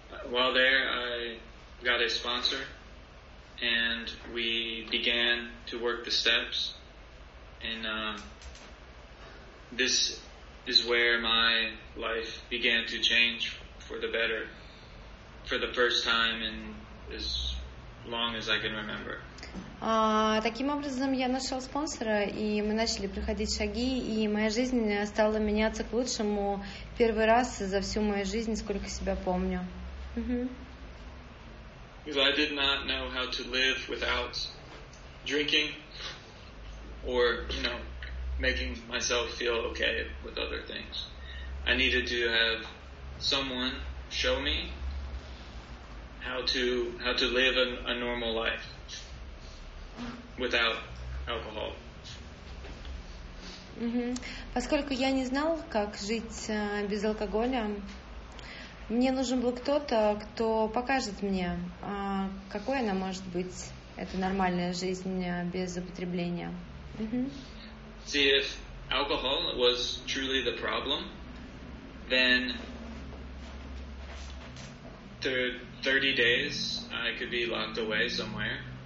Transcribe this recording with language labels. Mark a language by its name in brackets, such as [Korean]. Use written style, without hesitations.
[English] While there, I got a sponsor, and we began to work the steps, and this is where my life began to change for the better, for the first time in as long as I can remember. [Russian] Таким образом, я нашел спонсора, и мы начали проходить шаги, и моя жизнь стала меняться к лучшему первый раз за всю мою жизнь, сколько себя помню. [English] Because I did not know how to live without drinking or, you know, making myself feel okay with other things. I needed to have someone show me how to live a normal life without alcohol. [Russian] Поскольку я не знал, как жить без алкоголя, мне нужен был кто-то, кто покажет мне, какой она может быть, эта нормальная жизнь без употребления. [English] See, if alcohol was truly the problem, then 30 days I could be locked away somewhere.